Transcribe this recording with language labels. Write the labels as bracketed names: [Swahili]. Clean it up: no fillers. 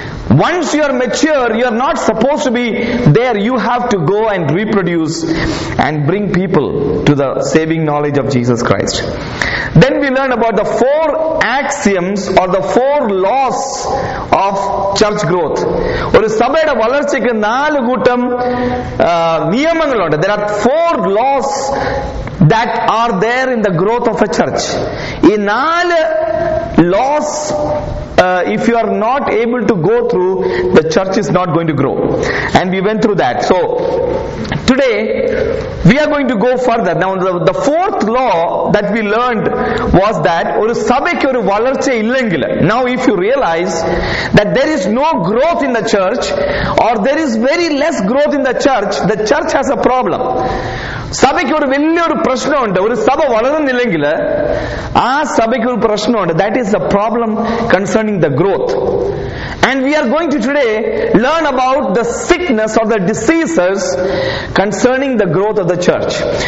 [English] Once you are mature, you are not supposed to be there. You have to go and reproduce and bring people to the saving knowledge of Jesus Christ. Then we learn about the four axioms or the four laws of church growth. [Malayalam] ഒരു സഭയുടെ വളർച്ചയ്ക്ക് നാല് കൂട്ടം നിയമങ്ങളുണ്ട്. [English] There are four laws that are there in the growth of a church. [Malayalam] ഈ നാല് [English] laws if you are not able to go through, the church is not going to grow. And we went through that. So today we are going to go further. Now the fourth law that we learned was that [Malayalam] oru sabaykku oru valarcha illengil, [English] now if you realize that there is no growth in the church or there is very less growth in the church has a problem. [Malayalam] സഭയ്ക്ക് ഒരു വലിയൊരു പ്രശ്നമുണ്ട്. ഒരു സഭ വളരുന്നില്ലെങ്കിൽ ആ സഭയ്ക്ക് ഒരു പ്രശ്നമുണ്ട്. [English] That is the problem concerning the growth. And we are going to today learn about the sickness or the diseases concerning the growth of the church.